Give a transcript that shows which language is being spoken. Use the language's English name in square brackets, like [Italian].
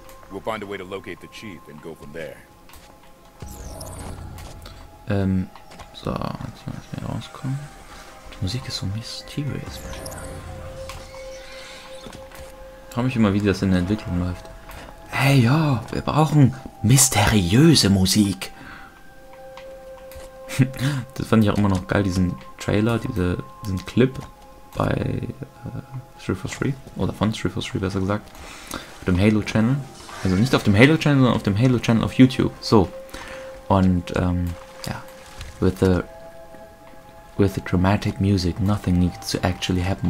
[English] We'll find a way to locate the chief and go from there. [German] So, jetzt muss ich rauskommen. Die Musik ist so mysterious. Ich frage mich immer, wie das in der Entwicklung läuft. Hey, ja, wir brauchen mysteriöse Musik. Das fand ich auch immer noch geil, diesen Trailer, diesen Clip bei 343, oder von 343 besser gesagt, auf dem Halo Channel. Also nicht auf dem Halo Channel, sondern auf dem Halo Channel auf YouTube. So. [English] Und, With the dramatic music, nothing needs to actually happen.